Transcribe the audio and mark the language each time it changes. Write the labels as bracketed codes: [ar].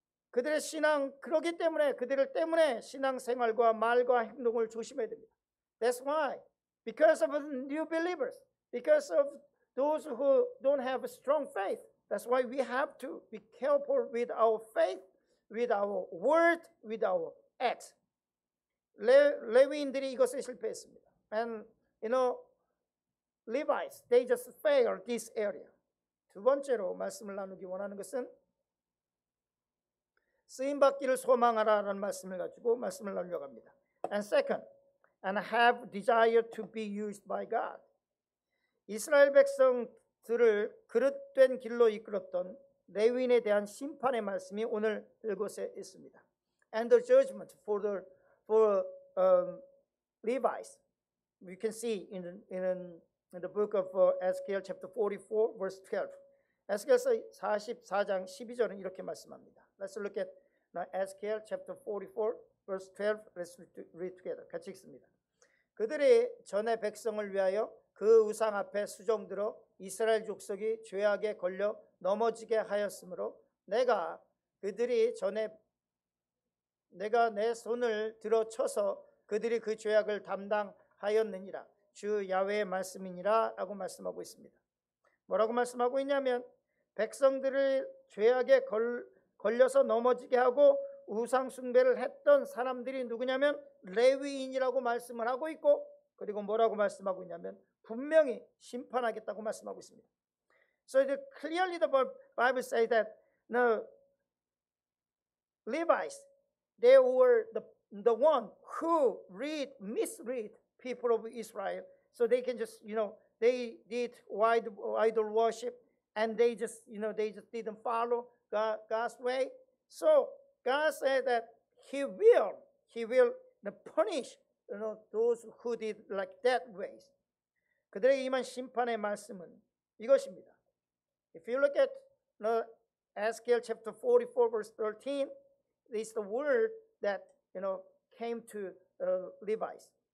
[ko] 그들의 신앙 그러기 때문에 그들을 때문에 신앙생활과 말과 행동을 조심해야 됩니다. [en] That's why, because of the new believers, because of those who don't have a strong faith, that's why we have to be careful with our faith, with our word, with our acts. [ko] 레위인들이 이것에 실패했습니다. [en] And you know, Levites, they just failed this area. [ko] 두 번째로 말씀을 나누기 원하는 것은 쓰임받기를 소망하라라는 말씀을 가지고 말씀을 나누려고 합니다. [en] And second, and have desire to be used by God. [ko] 이스라엘 백성들을 그릇된 길로 이끌었던 레위인에 대한 심판의 말씀이 오늘 이곳에 있습니다. [en] And the judgment for Levites, we can see in the book of Ezekiel chapter 44 verse 12. [ko] Ezekiel 44장 12절은 이렇게 말씀합니다. [en] Let's look at Ezekiel chapter 44 verse 12. Let's read together. [ko] 같이 읽습니다. 그들이 전에 백성을 위하여 그 우상 앞에 수종 들어 이스라엘 족속이 죄악에 걸려 넘어지게 하였으므로 내가 내 손을 들어 쳐서 그들이 그 죄악을 담당하였느니라. 주 야훼의 말씀이니라 라고 말씀하고 있습니다. 뭐라고 말씀하고 있냐면 백성들을 죄악에 걸려서 넘어지게 하고 우상 숭배를 했던 사람들이 누구냐면 레위인이라고 말씀을 하고 있고 그리고 뭐라고 말씀하고 있냐면 분명히 심판하겠다고 말씀하고 있습니다. [en] So clearly the Bible says that the Levites, they were the the one who misread people of Israel. So they can just, you know, they did idol worship and they just, you know, they just didn't follow God's way. So God said that he will punish, you know, those who did like that ways. [ko] 그들에게 임한 심판의 말씀은 이것입니다. [en] If you look at Ezekiel chapter 44 verse 13, this is the word that, you know, came to Levites.